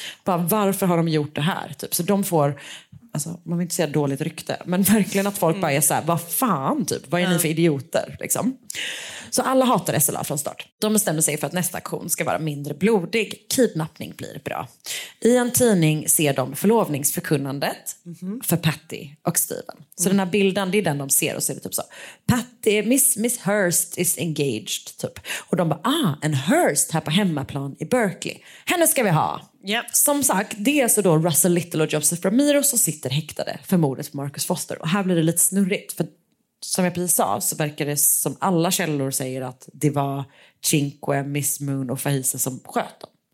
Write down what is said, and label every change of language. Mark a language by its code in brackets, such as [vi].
[sv] Bara, varför har de gjort det här typ? Så de får, alltså man vill inte säga dåligt rykte, men verkligen att folk bara är så här, vad fan typ, vad är ni för idioter liksom? Så alla hatar SLA från start. De bestämmer sig för att nästa aktion ska vara mindre blodig. Kidnappning blir bra. I en tidning ser de förlovningsförkunnandet för Patty och Steven. Så den här bilden, det är den de ser och ser typ så. [en] Patty, Miss Hurst is engaged [sv] typ. Och de bara, ah, en Hurst här på hemmaplan i Berkeley. Henne ska vi ha. Yep. Som sagt, det är så då Russell Little och Joseph Ramiro som sitter häktade för mordet på Marcus Foster. Och här blir det lite snurrigt för... Som jag precis sa så verkar det som alla källor säger att det var Cinque, Miss Moon och Fahisa som sköt dem.